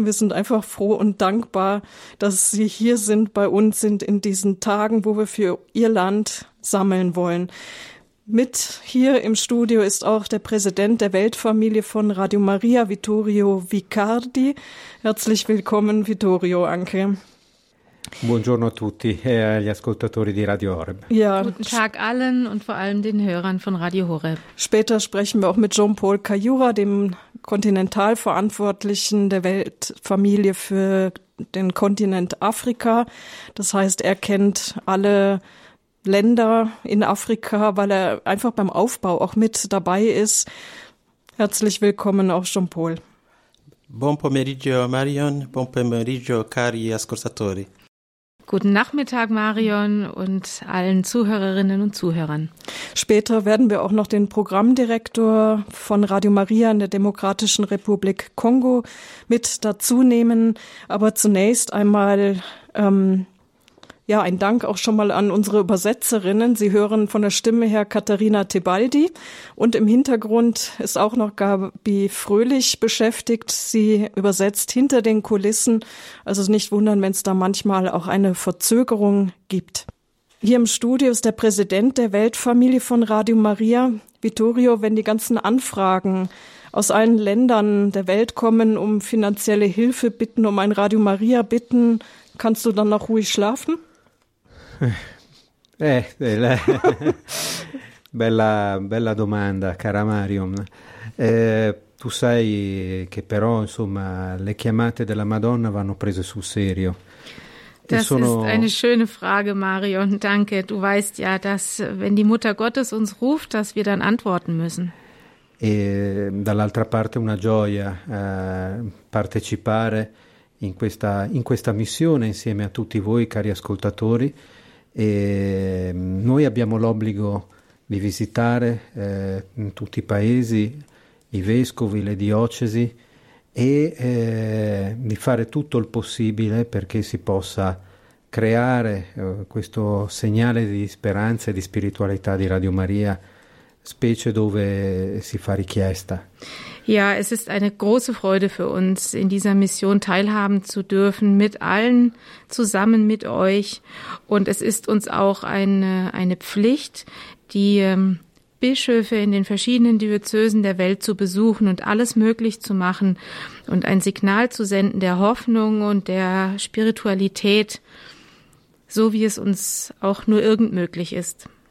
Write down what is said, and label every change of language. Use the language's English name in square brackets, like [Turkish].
[German] Und wir sind einfach froh und dankbar, dass Sie hier sind, bei uns sind in diesen Tagen, wo wir für Ihr Land sammeln wollen. Mit hier im Studio ist auch der Präsident der Weltfamilie von Radio Maria, Vittorio Vicardi. Herzlich willkommen, Vittorio, Anke. [Italian] Buongiorno a tutti, gli ascoltatori di Radio Horeb. [German] Ja. Guten Tag allen und vor allem den Hörern von Radio Horeb. Später sprechen wir auch mit Jean-Paul Kayura, dem Kontinentalverantwortlichen der Weltfamilie für den Kontinent Afrika. Das heißt, er kennt alle Länder in Afrika, weil er einfach beim Aufbau auch mit dabei ist. Herzlich willkommen auch Jean-Paul. [Italian] Buon pomeriggio Marion, buon pomeriggio cari ascoltatori. [German] Guten Nachmittag, Marion und allen Zuhörerinnen und Zuhörern. Später werden wir auch noch den Programmdirektor von Radio Maria in der Demokratischen Republik Kongo mit dazu nehmen. Aber zunächst einmal ein Dank auch schon mal an unsere Übersetzerinnen. Sie hören von der Stimme her Katharina Tebaldi und im Hintergrund ist auch noch Gabi Fröhlich beschäftigt. Sie übersetzt hinter den Kulissen, also nicht wundern, wenn es da manchmal auch eine Verzögerung gibt. Hier im Studio ist der Präsident der Weltfamilie von Radio Maria. Vittorio, wenn die ganzen Anfragen aus allen Ländern der Welt kommen, um finanzielle Hilfe bitten, um ein Radio Maria bitten, kannst du dann noch ruhig schlafen? [Italian] bella domanda, cara Marion. Tu sai che però insomma le chiamate della Madonna vanno prese sul serio. [German] Das ist eine schöne Frage, Marion. Danke. Du weißt ja, dass wenn die Mutter Gottes uns ruft, dass wir dann antworten müssen. [Italian] E dall'altra parte una gioia partecipare in questa missione insieme a tutti voi cari ascoltatori e noi abbiamo l'obbligo di visitare tutti i paesi, i vescovi, le diocesi e di fare tutto il possibile perché si possa creare questo segnale di speranza e di spiritualità di Radio Maria specie dove si fa richiesta. [German] Ja, es ist eine große Freude für uns, in dieser Mission teilhaben zu dürfen, mit allen zusammen mit euch. Und es ist uns auch eine Pflicht, die Bischöfe in den verschiedenen Diözesen der Welt zu besuchen und alles möglich zu machen und ein Signal zu senden der Hoffnung und der Spiritualität, so wie es uns auch nur irgend möglich ist.